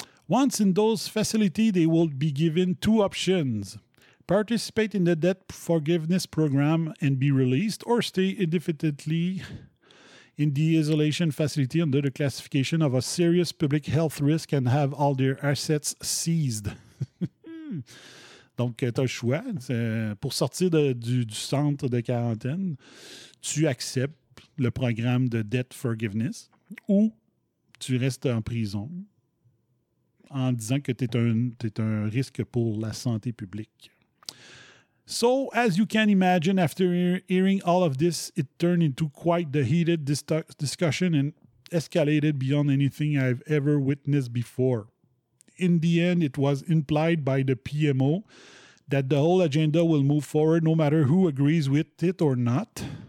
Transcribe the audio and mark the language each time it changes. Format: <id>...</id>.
<en>Once in those facilities, they will be given two options. Participate in the debt forgiveness program and be released, or stay indefinitely in the isolation facility under the classification of a serious public health risk and have all their assets seized.</en> <fr>Donc, tu as le choix. Pour sortir du centre de quarantaine, tu acceptes le programme de</fr> <en>debt forgiveness</en> <fr>ou tu restes en prison en disant que t'es un risque pour la santé publique.</fr> <en>So, as you can imagine, after hearing all of this, it turned into quite the heated discussion and escalated beyond anything I've ever witnessed before. In the end, it was implied by the PMO that the whole agenda will move forward no matter who agrees with it or not.</en>